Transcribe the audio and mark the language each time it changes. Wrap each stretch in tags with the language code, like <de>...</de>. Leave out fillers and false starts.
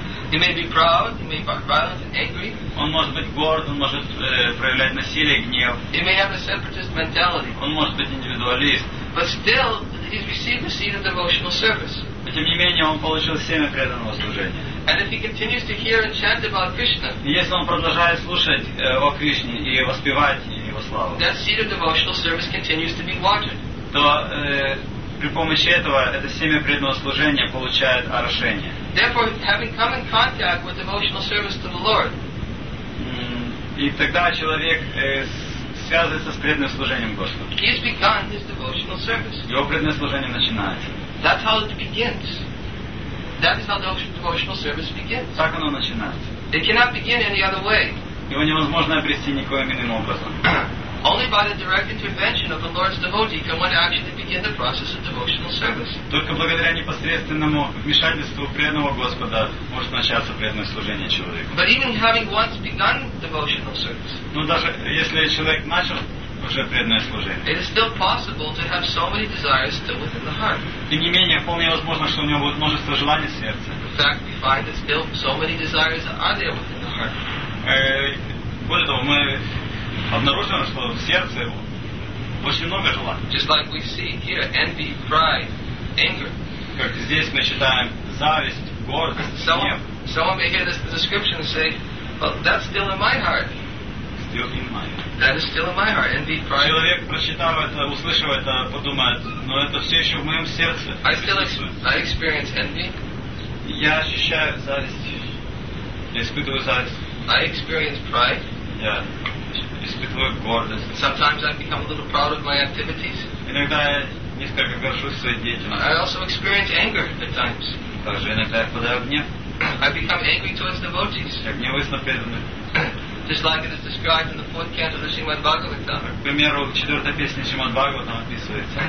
<en>He may be proud, he may be violent and angry.</en> <ru>Он может быть горд, он может проявлять насилие, гнев.</ru> <en>He may have a separatist mentality.</en> <ru>Он может быть индивидуалист.</ru> <en>But still, he's received the seed of devotional service.</en> <ru>Но тем не менее, он получил семя преданного служения.</ru> <en>And if he continues to hear and chant about Krishna,</en> <ru>если он продолжает слушать о Кришне и воспевать его славу,</ru> <en>that seed of devotional service continues to be watered.</en> <ru>То при помощи этого это семя преданного служения получает орошение.</ru> <en>Therefore, having come in contact with devotional service to the Lord,</en> <ru>и тогда человек связывается с преданным служением Господу.</ru> <en>He has begun his devotional service.</en> <ru>Его преданное служение начинается.</ru> <en>That's how it begins. That is how the devotional service begins.</en> <ru>Так оно начинается.</ru> <en>It cannot begin any other way.</en> <ru>Его невозможно обрести никоим иным образом.</ru> <en>Only by the direct intervention of the Lord's devotee can one actually begin the process of devotional service.</en> <ru>Только благодаря непосредственному вмешательству преданного Господа может начаться преданное служение человеку.</ru> <en>But even having once begun devotional service.</en> <ru>Но даже если человек начал уже преданное служение.</ru> <en>It is still possible to have so many desires still within the heart.</en> <ru>Тем не менее, вполне возможно, что у него будет множество желаний в сердце.</ru> <en>In fact, we find that still so many desires are there within the heart.</en> <ru>Более того, мы обнаружили, что в сердце очень много желаний.</ru> <en>Just like we see here, envy, pride, anger.</en> <ru>Как здесь мы читаем зависть, гордость, гнев.</ru> <en>Someone may hear this description and say, "Well, that's still in my heart." That is still in my heart. Envy, pride.</en> <ru>Человек, прочитав это, услышав это, подумает, но это все еще в моем сердце.</ru> <en>I experience envy.</en> <ru>Я ощущаю зависть. Я испытываю зависть.</ru> <en>I experience pride.</en> <ru>Я испытываю гордость.</ru> <en>Sometimes I become a little proud of my activities.</en> <ru>Иногда я несколько горжусь своей деятельностью.</ru> <en>I also experience anger at times.</en> <ru>Также иногда я впадаю в гнев.</ru> <en>I become angry towards devotees.</en> <ru>Я гневаюсь на преданных.</ru> <en>Just like it is described in the fourth canto of the Srimad Bhagavatam.</en> <ru>К примеру, в четвертой песне Шримад Бхагаватам описывается.</ru>